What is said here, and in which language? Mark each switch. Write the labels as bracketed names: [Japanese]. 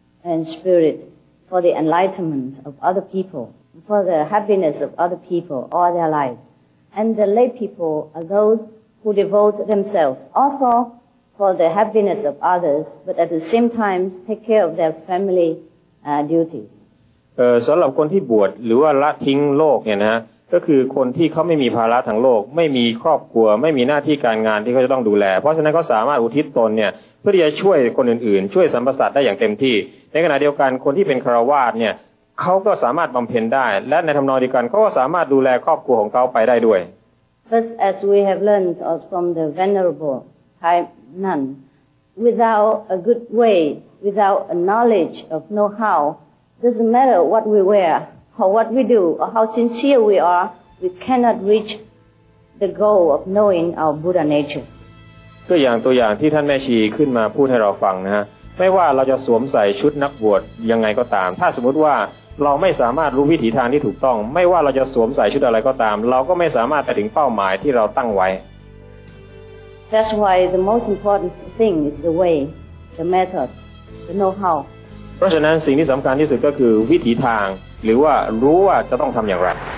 [English] and spirit for the enlightenment of other people for the happiness of other people all their lives and the lay people are those who devote themselves also for the happiness of others but at the same time take care of their family duties [Thai] สำหรับคนที่บวชหรือว่าละทิ้งโลกเนี่ยนะก็คือคนที่เขาไม่มีภาระทางโลกไม่มีครอบครัวไม่มีหน้าที่การงานที่เขาจะต้องดูแลเพราะฉะนั้นเขาสามารถอุทิศตนเนี่ยเพื่อที่จะช่วยคนอื่นๆช่วยสัมปสัตได้อย่างเต็มที่ในขณะเดียวกันคนที่เป็นคฤหัสถ์เนี่ยเขาก็สามารถบำเพ็ญได้และในทำนองเดียวกันเขาก็สามารถดูแลครอบครัวของเขาไปได้ด้วย [English] But as we have learned from the venerable Thai nun without a good way without a knowledge of know howDoesn't matter what we wear or what we do or how sincere we are, we cannot reach the goal of knowing our Buddha nature. [Thai] ก็อย่างตัวอย่างที่ท่านแม่ชีขึ้นมาพูดให้เราฟังนะฮะ ไม่ว่าเราจะสวมใส่ชุดนักบวชยังไงก็ตามถ้าสมมติว่าเราไม่สามารถรู้วิถีทางที่ถูกต้องไม่ว่าเราจะสวมใส่ชุดอะไรก็ตามเราก็ไม่สามารถไปถึงเป้าหมายที่เราตั้งไว้ [English] That's why the most important thing is the way, the method, the know-how [Thai] เพราะฉะนั้นสิ่งที่สำคัญที่สุดก็คือวิถีทางหรือว่ารู้ว่าจะต้องทำอย่างไร